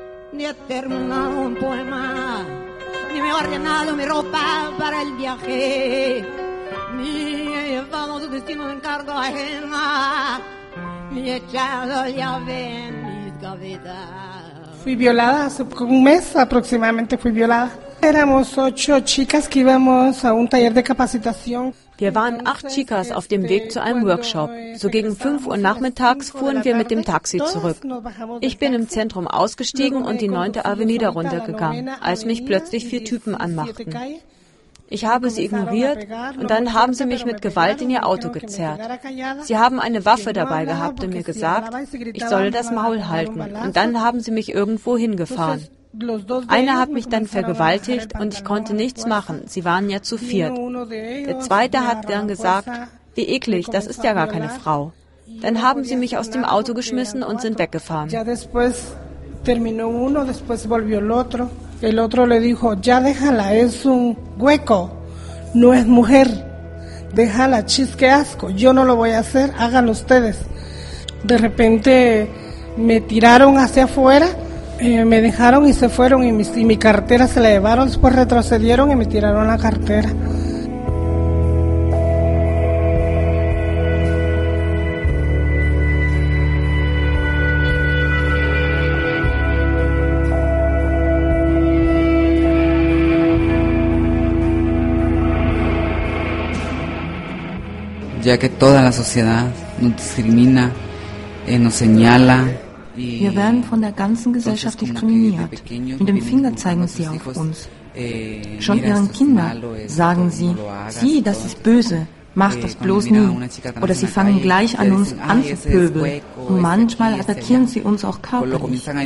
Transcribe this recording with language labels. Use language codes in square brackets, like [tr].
[es] Ni he terminado un poema, ni me he ordenado mi ropa para el viaje, ni he llevado su destino en cargo ajena, ni he echado llave en mis cabezas. Fui violada hace un mes aproximadamente, fui violada. Éramos 8 chicas que íbamos a un taller de capacitación. [de] Wir waren 8 Chicas auf dem Weg zu einem Workshop. So gegen 5 Uhr nachmittags fuhren wir mit dem Taxi zurück. Ich bin im Zentrum ausgestiegen und die 9. Avenue runtergegangen, als mich plötzlich 4 Typen anmachten. Ich habe sie ignoriert und dann haben sie mich mit Gewalt in ihr Auto gezerrt. Sie haben eine Waffe dabei gehabt und mir gesagt, ich solle das Maul halten. Und dann haben sie mich irgendwo hingefahren. Einer hat mich dann vergewaltigt und ich konnte nichts machen. Sie waren ja zu viert. Der zweite hat dann gesagt, wie eklig, das ist ja gar keine Frau. Dann haben sie mich aus dem Auto geschmissen und sind weggefahren. [es] Ja, después terminó uno, después volvió el otro. El otro le dijo, ya déjala, es un hueco, no es mujer. Déjala, chis, qué asco, yo no lo voy a hacer, háganlo ustedes. De repente me tiraron hacia afuera. Me dejaron y se fueron y mi cartera se la llevaron, después retrocedieron y me tiraron la cartera. Ya que toda la sociedad nos discrimina, nos señala. [de] Wir werden von der ganzen Gesellschaft diskriminiert. Mit dem Finger zeigen sie auf uns. Schon ihren Kindern sagen sie, sieh, das ist böse, mach das bloß nie. Oder sie fangen gleich an uns an zu pöbeln. Und manchmal attackieren sie uns auch körperlich.